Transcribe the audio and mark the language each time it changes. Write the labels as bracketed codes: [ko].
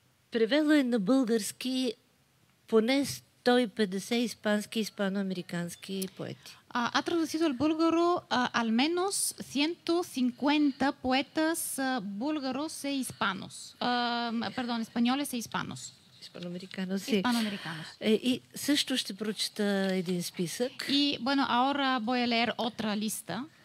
[bg] Превела е на български поне 150 испански и испано-американски поети. [es] Ha traducido al búlgaro al menos 150 poetas búlgaros e hispanos. Perdón, españoles e hispanos. Hispanoamericanos, sí. Hispanoamericanos. [bg] И също ще прочета един списък. [es] Y bueno, ahora voy a leer otra lista.